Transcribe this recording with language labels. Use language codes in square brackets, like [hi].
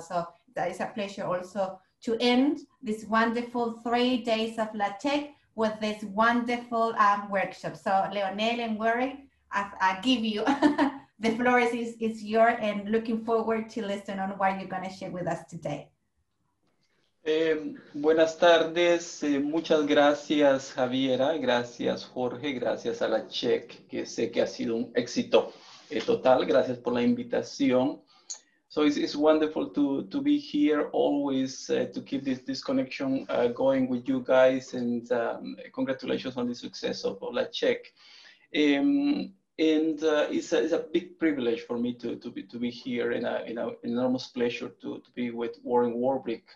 [en] So that is a pleasure also to end this wonderful 3 days of LaTeX with this wonderful workshop. So Leonel and Worry, I give you the floor is yours, and looking forward to listen on what you're gonna share with us today. [es] Buenas tardes, muchas gracias Javiera, gracias Jorge, gracias a LaTeX, que sé que ha sido un éxito total, gracias por la invitación. [en] So it's wonderful to be here always to keep this connection going with you guys, and congratulations on the success of LaTeX. It's a big privilege for me to be here, and an enormous pleasure to be with Warren Warbrick.